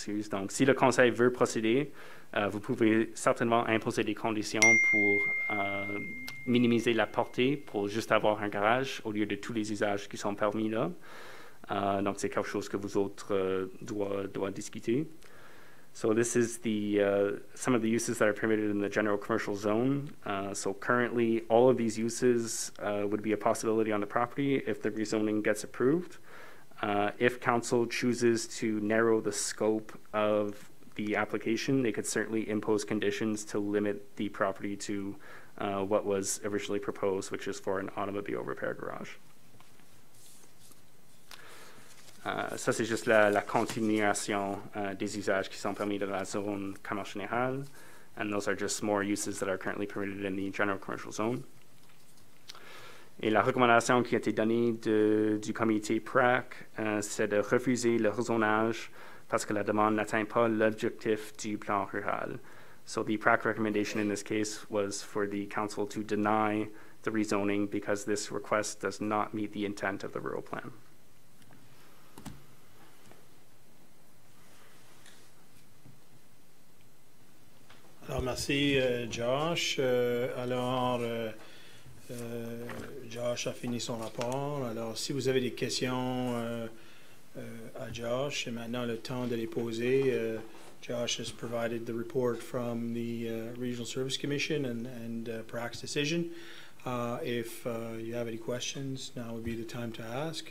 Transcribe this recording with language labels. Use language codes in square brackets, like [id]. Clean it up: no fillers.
[fr] Donc, si le conseil veut procéder, vous pouvez certainement imposer des conditions pour minimiser la portée pour juste avoir un garage au lieu de tous les usages qui sont permis là. Donc, c'est quelque chose que vous autres doit discuter. [en] So, this is the some of the uses that are permitted in the general commercial zone. So, currently, all of these uses would be a possibility on the property if the rezoning gets approved. If council chooses to narrow the scope of the application, they could certainly impose conditions to limit the property to what was originally proposed, which is for an automobile repair garage. [fr] Ça, c'est juste la continuation des usages qui sont permis dans la zone commerce générale. [en] And those are just more uses that are currently permitted in the general commercial zone. [fr] Et la recommandation qui a été donnée du comité PRAC, c'est de refuser le rezonage parce que la demande n'atteint pas l'objectif du plan rural. [en] So the PRAC recommendation in this case was for the council to deny the rezoning because this request does not meet the intent of the rural plan. [fr] Alors, merci, Josh. Josh a fini son rapport. Alors, si vous avez des questions à Josh, c'est maintenant le temps de les poser. [en] Josh has provided the report from the Regional Service Commission and PRAC's decision. If you have any questions, now would be the time to ask.